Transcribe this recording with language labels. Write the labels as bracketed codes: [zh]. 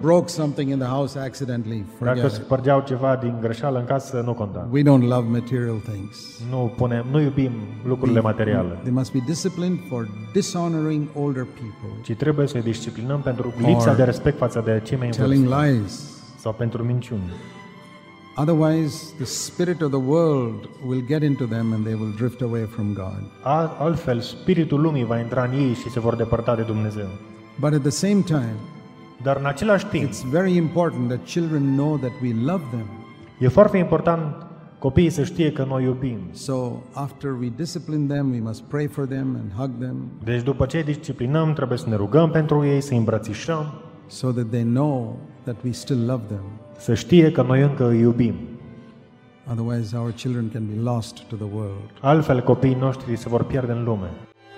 [en] Broke something in the house accidentally. [ro] Dacă spărgeau ceva din greșeală în casă, nu conta. [en] We don't love material things. [ro] Nu iubim lucrurile materiale. [en] They must be disciplined for dishonoring older people. [ro] Ci trebuie să-i disciplinăm pentru lipsa de respect față de cei mai vârstnici. [en] Telling lies. [ro] Sau pentru minciuni. [en] Otherwise the spirit of the world will get into them and they will drift away from God. [ro] Altfel spiritul lumii va intra în ei și se vor depărta de Dumnezeu. [en] But at the same time, [ro] dar în același timp, [en] it's very important that children know that we love them. [ro] E foarte important copiii să știe că noi iubim. [en] So after we discipline them, we must pray for them and hug them. [ro] Deci după ce îi disciplinăm, trebuie să ne rugăm pentru ei, să îi îmbrățișăm, [en] so that they know that we still love them. [ro] Să știe că noi încă îi iubim. [en] Otherwise our children can be lost to the world. [ro] Altfel copiii noștri se vor pierde în lume.